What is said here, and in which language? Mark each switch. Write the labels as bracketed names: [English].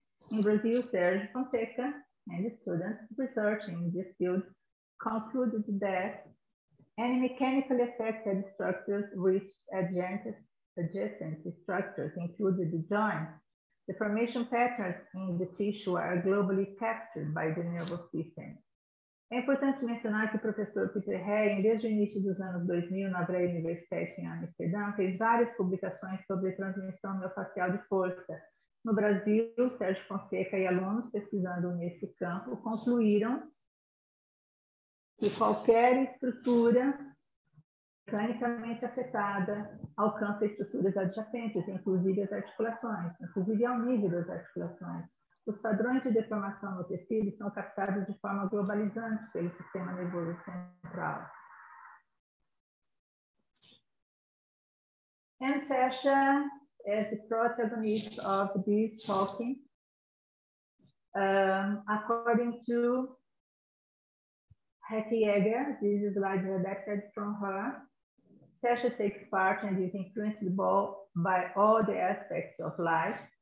[English] In Brazil, Sérgio Fonseca and his students researching this field concluded that any mechanically affected structures reached adjacent structures, including the joints. The formation patterns in the tissue are globally captured by the nervous system. [Portuguese] É importante mencionar que o professor Peter Hain, desde o início dos anos 2000, na Vrije Universiteit em Amsterdã, fez várias publicações sobre transmissão miofascial de força. No Brasil, Sérgio Fonseca e alunos pesquisando nesse campo concluíram que qualquer estrutura mecanicamente afetada alcança estruturas adjacentes, inclusive as articulações, inclusive ao nível das articulações. Os padrões de deformação no tecido são captados de forma globalizante pelo sistema nervoso central. [English] And fascia is the protagonist of this talking. According to Hattie Egger, this slide is adapted from her. Fascia takes part and is influenced by all the aspects of life.